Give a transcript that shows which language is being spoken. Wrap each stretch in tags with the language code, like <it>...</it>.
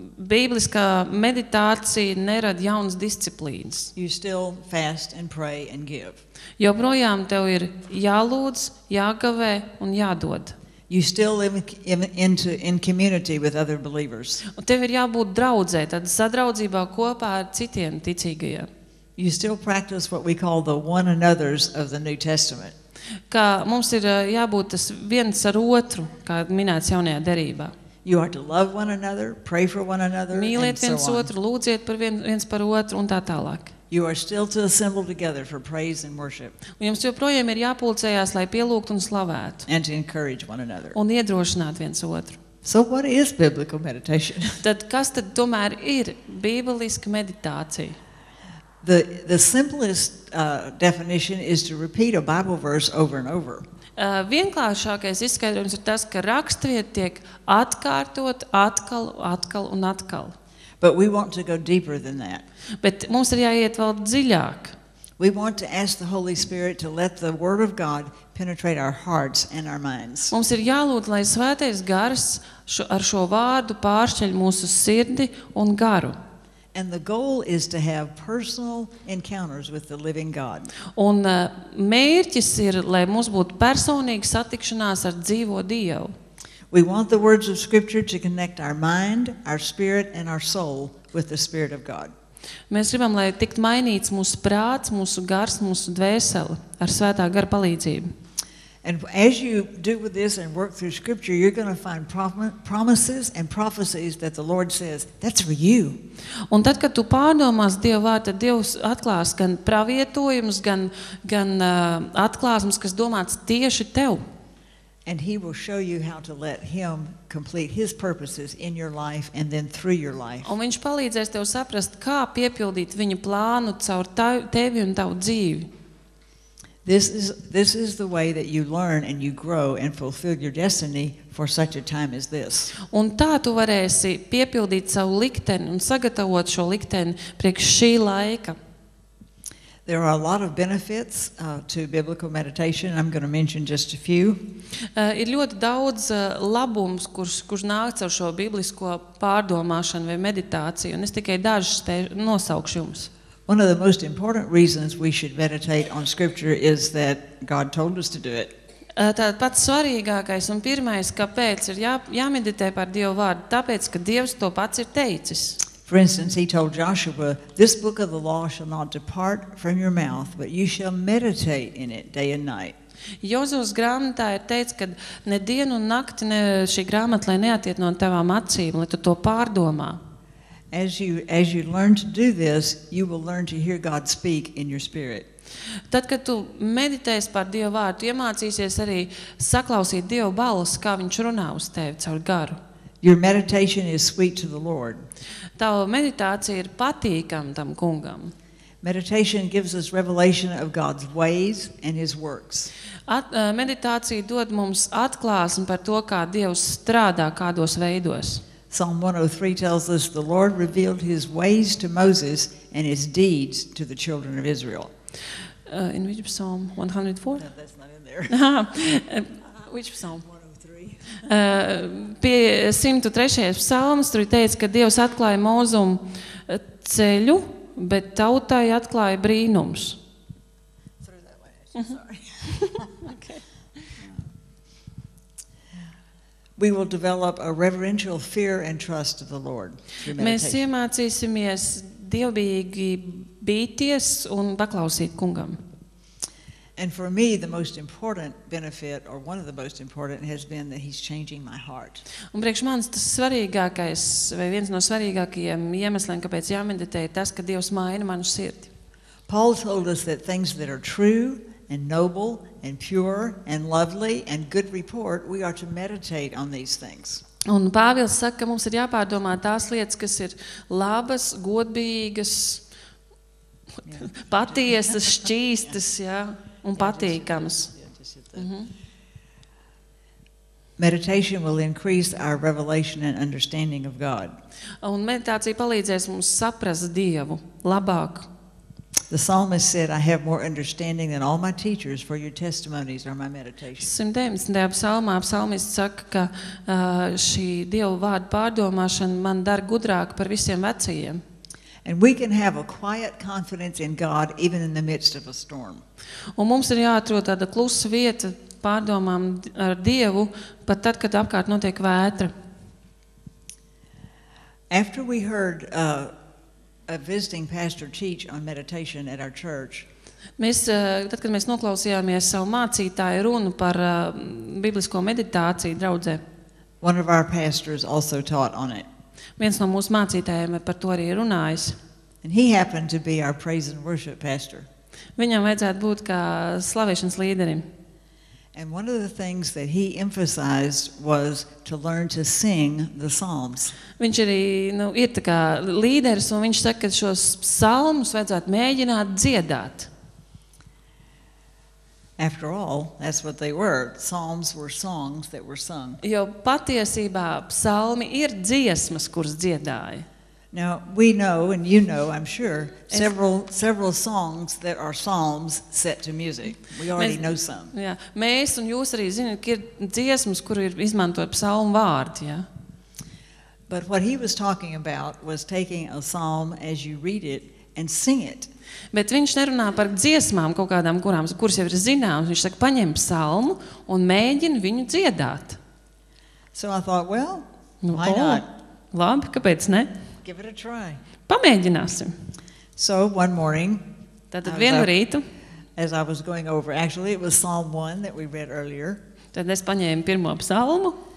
<lv>Bībliskā meditācija nerad jaunas disciplīnas.</lv> <en>You still fast and pray and give.</en> <lv>Joprojām tev ir jālūdz, jāgavē un jādod.</lv> <en>You still live in community with other believers.</en> <lv>Tev ir jābūt draudzē, tad sadraudzībā kopā ar citiem ticīgajiem.</lv> <en>You still practice what we call the one another's of the New Testament.</en> <lv>Kā mums ir jābūt tas viens ar otru, kā minēts jaunajā derībā.</lv> <en>You are to love one another, pray for one another,</en> <lv>mīliet</lv> <en>and so</en> <lv>otru,</lv> <en>on.</en> <lv>Lūdziet par viens par otru un tā tālāk.</lv> <en>You are still to assemble together for praise and worship.</en> <lv>Un jums joprojām ir jāpulcējās, lai pielūgtu un slavētu.</lv> <en>And to encourage one another.</en> <lv>Un iedrošināt viens otru.</lv> <en>So what is biblical meditation?</en> <lv>Tad kas tad tomēr ir bībeliska meditācija?</lv> <en>The simplest definition is to repeat a Bible verse over and over.</en> <lv>Vienkāršākais izskaidrojums ir tas, ka rakstvieta tiek atkārtot atkal, atkal un atkal.</lv> <en>But we want to go deeper than that.</en> <lv>Bet mums ir jāiet vēl dziļāk.</lv> <en>We want to ask the Holy Spirit to let the word of God penetrate our hearts and our minds.</en> <lv>Mums ir jālūd, lai Svētais Gars ar šo vārdu pāršķeļ mūsu sirdi un garu.</lv> <en>And the goal is to have personal encounters with the living God.</en> <lv>Un mērķis ir, lai mums būtu personīga satikšanās ar dzīvo Dievu.</lv> <en>We want the words of scripture to connect our mind, our spirit and our soul with the spirit of God.</en> <lv>Mēs gribam, lai tikt mainīts mūsu prāts, mūsu gars, mūsu dvēsele ar Svētā Gara palīdzību.</lv> <en>And as you do with this and work through scripture, you're going to find promises and prophecies that the Lord says, that's for you.</en> <lv>Un tad, kad tu pārdomās Dievu vārdu, tad Dievs atklās gan pravietojumus, gan atklāsmes, kas domāts tieši tev.</lv> <en>And he will show you how to let him complete his purposes in your life and then through your life.</en> <lv>Un viņš palīdzēs tev saprast, kā piepildīt viņa plānu caur tevi un tavu dzīvi.</lv> <en>This is the way that you learn and you grow and fulfill your destiny for such a time as this.</en> <lv>Un tā tu varēsi piepildīt savu likteni un sagatavot šo likteni priekš šī laika.</lv> <en>There are a lot of benefits to biblical meditation. I'm going to mention just a few.</en> <lv>Ir ļoti daudz labums, kurš nāk caur šo biblisko pārdomāšanu vai meditāciju, un es tikai dažus nosaukšu jums.</lv> <en>One of the most important reasons we should meditate on scripture is that God told us to do it.</en> <lv>Tātad pats svarīgākais un pirmais, kāpēc ir jāmeditē par Dieva vārdu, tāpēc, ka Dievs to pats ir teicis.</lv> <en>For instance, he told Joshua, this book of the law shall not depart from your mouth, but you shall meditate in it day and night.</en> <lv>Jozovs grāmatā ir teicis, ka ne dienu un nakti ne šī grāmata lai neatiet no tavām acīm, lai tu to pārdomā.</lv> <en>As you learn to do this, you will learn to hear God speak in your spirit.</en> <lv>Tad, kad tu meditēsi par Dievu vārdu, iemācīsies arī saklausīt Dievu balsi, kā viņš runā uz tevi caur garu.</lv> <en>Your meditation is sweet to the Lord.</en> <lv>Tava meditācija ir patīkama tam kungam.</lv> <en>Meditation gives us revelation of God's ways and his works.</en> <lv>Meditācija dod mums atklāsmi par to, kā Dievs strādā kādos veidos.</lv> <en>Psalm 103 tells us the Lord revealed his ways to Moses and his deeds to the children of Israel. In which Psalm 104? No, that's not in there. Which Psalm? 103.</en> <lv>Pie 103. Psalms tur teica, ka Dievs atklāja Mozumu ceļu, bet tautai atklāja brīnums.</lv> <en>Through that way, sorry. Okay. We will develop a reverential fear and trust of the Lord.</en> <lv>Mēs iemācīsimies dievbīgi bīties un paklausīt kungam.</lv> <en>And for me the most important benefit or one of the most important has been that he's changing my heart.</en> <lv>Un priekš manis tas svarīgākais vai viens no svarīgākajiem iemesliem, kāpēc jāmeditē, tas, ka Dievs maina manu sirdi.</lv> <en>Paul told us that things that are true and noble and pure and lovely and good report, we are to meditate on these things.</en> <lv>Un Pāvils saka, ka mums ir jāpārdomā tās lietas, kas ir labas, godīgas, patiesas, šķīstas, ja, un patīkamas.</lv> <en>Meditation will increase our revelation and understanding of God.</en> <lv>Un meditācija palīdzēs mums saprast Dievu labāk.</lv> <en>The psalmist said, I have more understanding than all my teachers, for your testimonies are my meditation.</en> <lv>119. psalmā psalmists saka, ka šī Dieva vārda pārdomāšana man dar gudrāk par visiem vecajiem.</lv> <en>And we can have a quiet confidence in God even in the midst of a storm.</en> <lv>Un mums ir jāatrod tāda klusa vieta pārdomām ar Dievu, pat tad, kad apkārt notiek vētra.</lv> <en>After we heard a visiting pastor teach on meditation at our church.</en> <lv>Mēs, tad, kad mēs noklausījāmies savu mācītāju runu par biblisko meditāciju draudzē.</lv> <en>One of our pastors also taught on it.</en> <lv>Viens no mūsu mācītājiem par to arī runājis.</lv> <en>And he happened to be our praise and worship pastor.</en> <lv>Viņam vajadzētu būt kā slavēšanas līderim.</lv> <en>And one of the things that he emphasized was to learn to sing the psalms.</en> <lv>Viņš arī, nu, ir tā kā līderis, un viņš saka, ka šos psalmus vajadzētu mēģināt dziedāt.</lv> <en>After all, that's what they were. Psalms were songs that were sung.</en> <lv>Jo patiesībā psalmi ir dziesmas, kuras dziedāja.</lv> <en>Now, we know, and you know, I'm sure, several songs that are psalms set to music. We already know some.</en> <lv>Jā, mēs un jūs arī zinat, ka ir dziesmas, kuras ir izmantojot psalmu vārdi, jā.</lv> <en>But what he was talking about was taking a psalm as you read it and sing it.</en> <lv>Bet viņš nerunā par dziesmām kaut kādām, kuras jau ir zināmas. Viņš saka, paņem psalmu un mēģina viņu dziedāt.</lv> <en>So I thought, well, why not?</en> <lv>Labi, kāpēc ne?</lv> <en>Give it a try.</en> <lv>Pamēģināsim.</lv> <en>So one morning,</en> <lv>tātad vienu rītu,</lv> <en>as I was going over, actually it was Psalm 1 that we read earlier.</en> <lv>Tad es paņēmu pirmo psalmu.</lv>